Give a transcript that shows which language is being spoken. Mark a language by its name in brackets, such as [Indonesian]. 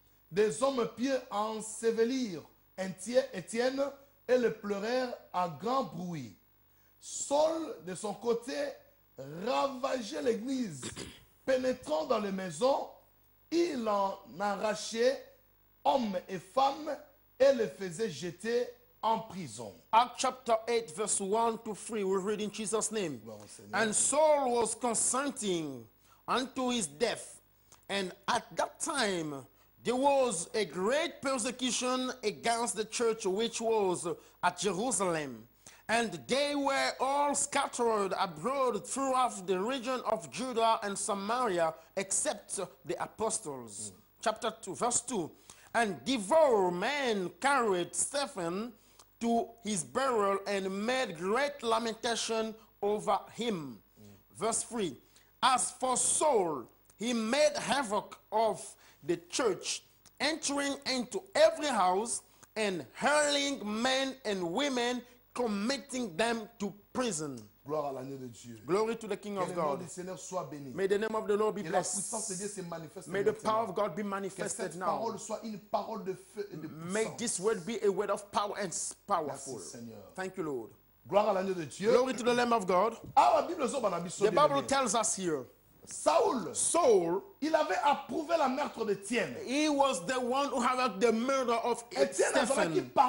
[French] Des hommes pieux ensevelirent Étienne et le pleurèrent à grand bruit. Saul, de son côté, ravageait l'église. Pénétrant dans les maisons, il en arrachait hommes et femmes et les faisait jeter en prison. [English] Acts chapter 8, verse 1 to 3, we read in Jesus' name. [French] Bon, [English] and Saul was consenting unto his death. And at that time, there was a great persecution against the church which was at Jerusalem. And they were all scattered abroad throughout the region of Judah and Samaria, except the apostles. Mm. Chapter 2, verse 2. And devout men carried Stephen to his burial and made great lamentation over him. Mm. Verse 3. As for Saul, he made havoc of the church, entering into every house and hurling men and women, committing them to prison. [French] Gloire à l'agneau de Dieu. [English] Glory to the King [French] que [English] of God. [French] Que le nom du Seigneur soit béni. [English] May the name of the Lord be blessed. [French] Que la puissance de Dieu se manifeste. [English] May the power of God be manifested [French] cette [English] now. [French] Que cette parole soit une parole de feu et de puissance. [English] May this word be a word of power and powerful. [French] Merci Seigneur. [English] Thank you Lord. [French] Gloire à l'agneau de Dieu. [English] Glory to the Lamb of God. [French] Ah, la Bible nous en a mis [English] sur. The Bible tells us here. [French] Saul, il avait approuvé la meurtre de Étienne. [English] He was the one who had the murder of Stephen.